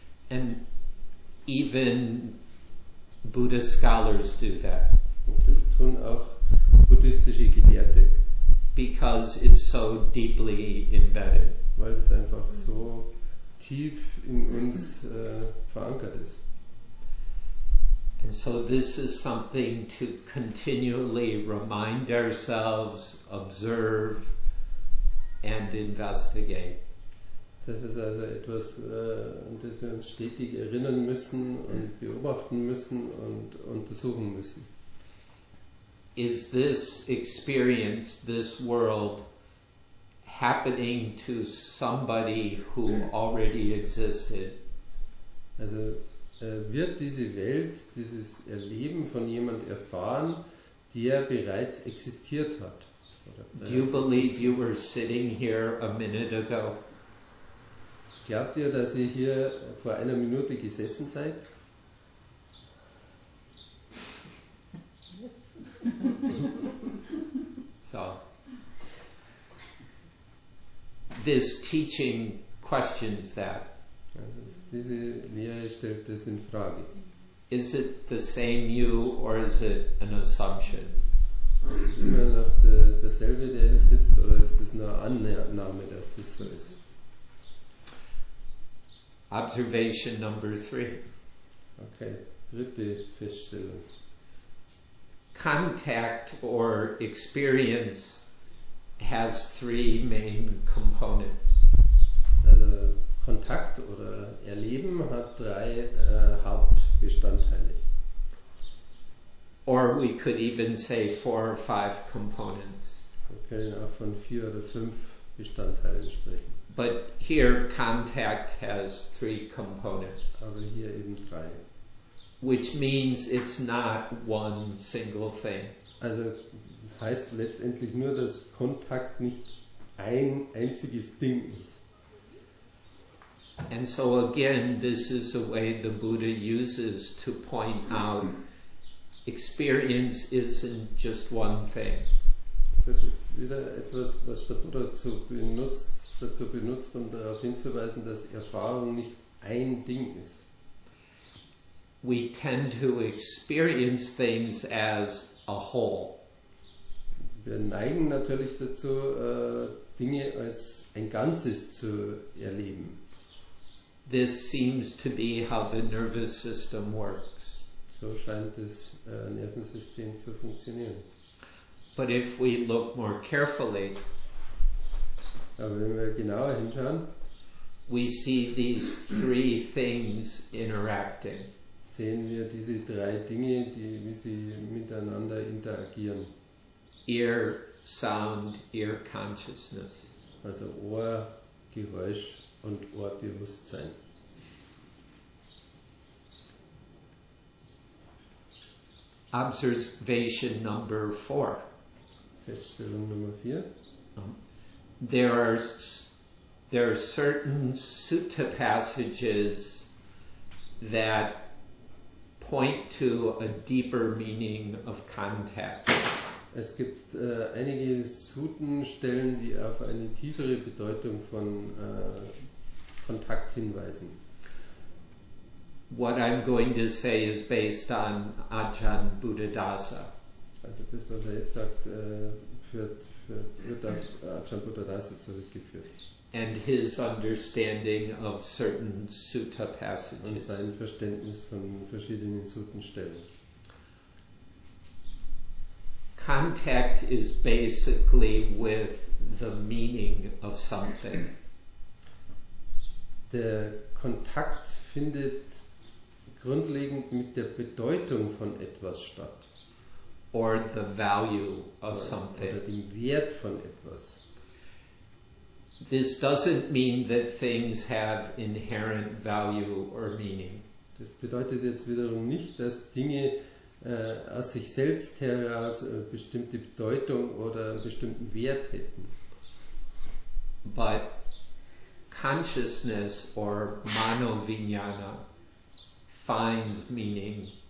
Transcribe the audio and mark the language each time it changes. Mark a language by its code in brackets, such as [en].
[en] And even Buddhist scholars do that. [de] Und das tun auch buddhistische Gelehrte. [en] Because it's so deeply embedded. [de] Weil es einfach so tief in uns verankert ist. [en] And so this is something to continually remind ourselves, observe, and investigate. [de] Das ist also etwas, an das wir uns stetig erinnern müssen und beobachten müssen und untersuchen müssen. [en] Is this experience, this world, happening to somebody who already existed? [de] Also, wird diese Welt, dieses Erleben von jemand erfahren, der bereits existiert hat? [en] Do you believe you were sitting here a minute ago? [de] Glaubt ihr, dass ihr hier vor einer Minute gesessen seid? [en] So, this teaching questions that. [de] Diese Lehre stellt das in Frage. [en] Is it the same you or is it an assumption? [de] Ist es immer noch derselbe, der hier sitzt, oder ist das nur eine Annahme, dass das so ist? [en] Observation number three. [de] Okay, dritte Feststellung. [en] Contact or experience has three main components. [de] Also Kontakt oder Erleben hat drei Hauptbestandteile. [en] Or we could even say four or five components. [de] Wir können auch von vier oder fünf Bestandteilen sprechen. [en] But here contact has three components. [de] Aber hier eben drei. [en] Which means it's not one single thing. [de] Also heißt letztendlich nur, dass Kontakt nicht ein einziges Ding ist. [en] And so again, this is a way the Buddha uses to point out experience isn't just one thing. [de] Das ist wieder etwas, was der Buddha dazu benutzt, um darauf hinzuweisen, dass Erfahrung nicht ein Ding ist. [en] We tend to experience things as a whole. [de] Wir neigen natürlich dazu, Dinge als ein Ganzes zu erleben. [en] This seems to be how the nervous system works. [de] So scheint das Nervensystem zu funktionieren. [en] But if we look more carefully, [de] aber wenn wir genauer hinschauen, [en] we see these three things interacting. [de] Sehen wir diese drei Dinge, wie sie miteinander interagieren. [en] Ear, sound, ear consciousness. [de] Also Ohr, Geräusch und Ohrbewusstsein. [en] Observation number four. [de] Feststellung Nummer 4. [en] There are certain sutta passages that point to a deeper meaning of contact. [de] Es gibt einige Sutten-Stellen, die auf eine tiefere Bedeutung von Kontakt hinweisen. [en] What I'm going to say is based on Ajahn Buddhadasa. [de] Also das, was er jetzt sagt, wird auf Ajahn Buddhadasa zurückgeführt. [en] And his understanding of certain sutta passages. [de] Und sein Verständnis von verschiedenen Suttenstellen. [en] Contact is basically with the meaning of something. [de] Der Kontakt findet grundlegend mit der Bedeutung von etwas statt. [en] Or the value of something. [de] Oder dem Wert von etwas. [en] This doesn't mean that things have inherent value or meaning. [de] Das bedeutet jetzt wiederum nicht, dass Dinge aus sich selbst heraus bestimmte Bedeutung oder einen bestimmten Wert hätten. [en] But consciousness or manovijnana finds meaning.